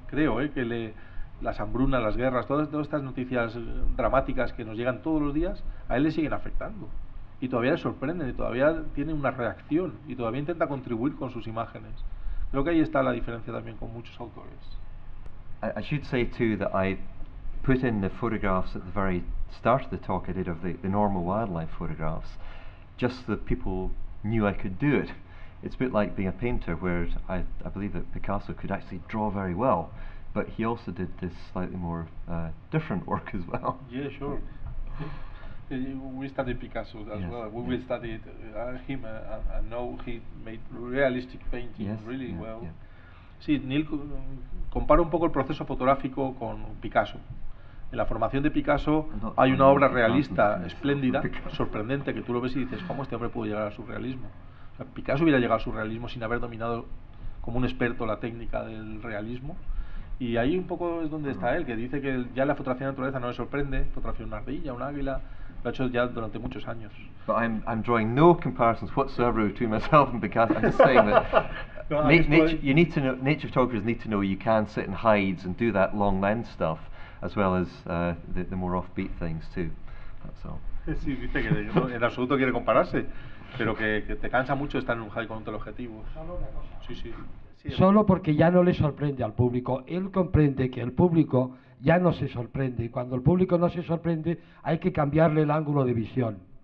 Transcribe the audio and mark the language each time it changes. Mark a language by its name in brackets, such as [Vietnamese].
[Spanish] Creo que le las hambrunas, las guerras, todas estas noticias dramáticas que nos llegan todos los días, a él le siguen afectando. Y todavía le sorprenden, y todavía tiene una reacción, y todavía intenta contribuir con sus imágenes. Creo que ahí está la diferencia también con muchos autores. [English] I should say too that I put in the photographs at the very start of the talk I did of the normal wildlife photographs, just so that people knew I could do it. It's a bit like being a painter, where I believe that Picasso could actually draw very well, but he also did this slightly more different work as well. Yeah, sure. We studied Picasso as yes, well. We studied him and know he made realistic painting yes, really yeah, well. Yeah. [Spanish] Sí, Neil compara un poco el proceso fotográfico con Picasso. En la formación de Picasso hay una obra realista, espléndida, sorprendente, que tú lo ves y dices, ¿cómo este hombre pudo llegar al surrealismo? O sea, Picasso hubiera llegado al surrealismo sin haber dominado como un experto la técnica del realismo. Y ahí un poco es donde está él, que dice que ya la fotografía de naturaleza no le sorprende, fotografía de una ardilla, un águila, lo ha hecho ya durante muchos años. [English] But I'm drawing no comparisons whatsoever between myself and Picasso. I'm just saying that nature photographers need to know you can sit in hides and do that long lens stuff, as well as the more offbeat things too. That's all. [Spanish] Sí, dice que en absoluto quiere compararse, pero que te cansa mucho estar en un high con un teleobjetivo. Sí, sí. Solo porque ya no le sorprende al público. Él comprende que el público ya no se sorprende. Y cuando el público no se sorprende, hay que cambiarle el ángulo de visión.